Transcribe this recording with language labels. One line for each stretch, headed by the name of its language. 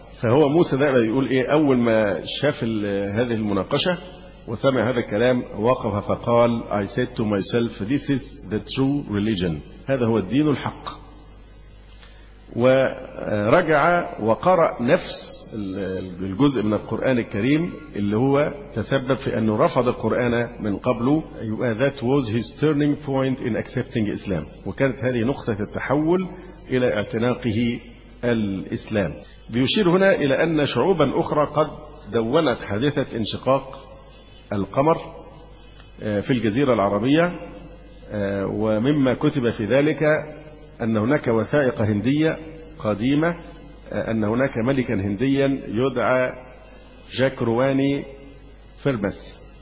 Arabic: فهو موسى ده بيقول إيه، أول ما شاف هذه المناقشة وسمع هذا الكلام وقف فقال
English: I said to myself this is the true religion،
Arabic: هذا هو الدين الحق. ورجع وقرأ نفس الجزء من القرآن الكريم اللي هو تسبب في أنه رفض القرآن من قبله.
English: That was his turning point in accepting Islam،
Arabic: وكانت هذه نقطة التحول إلى اعتناقه الإسلام. بيشير هنا إلى أن شعوبا أخرى قد دونت حادثة انشقاق القمر في الجزيرة العربية، ومما كتب في ذلك أن هناك وثائق هندية قديمة أن هناك ملكا هنديا يدعى جاك رواني فيربس